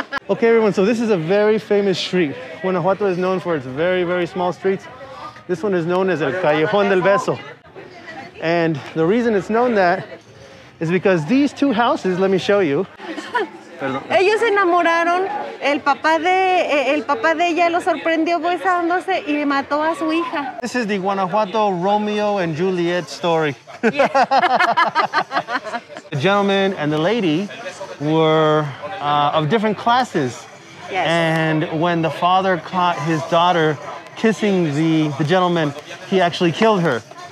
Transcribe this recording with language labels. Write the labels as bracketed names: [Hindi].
[English] Okay, everyone, so this is a very famous street. Guanajuato is known for its very, very small streets. This one is known as el Callejón del Beso. And the reason it's known that is because these two houses, let me show you. [Spanish] Ellos se enamoraron. El papá de ella lo sorprendió besándose y le mató a su hija. [English] This is the Guanajuato Romeo and Juliet story. Yeah. The gentleman and the lady were of different classes. Yes. And when the father caught his daughter kissing the gentleman, he actually killed her.